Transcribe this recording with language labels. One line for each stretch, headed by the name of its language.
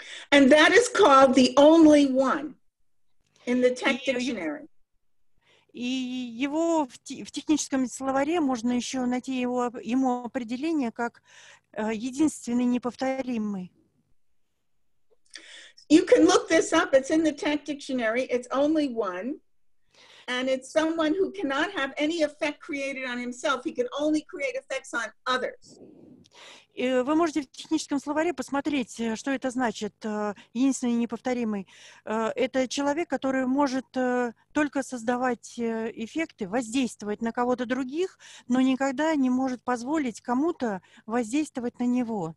English: And that is called the only one in the tech dictionary.
Russian: И его в техническом словаре можно еще найти ему определение как единственный неповторимый.
English: You can look this up. It's in the tech dictionary. It's only one. And it's someone who cannot have any effect created on himself. He can only create effects on others.
Russian: Вы можете в техническом словаре посмотреть, что это значит, единственный неповторимый. Это человек, который может только создавать эффекты, воздействовать на кого-то других, но никогда не может позволить кому-то воздействовать на него.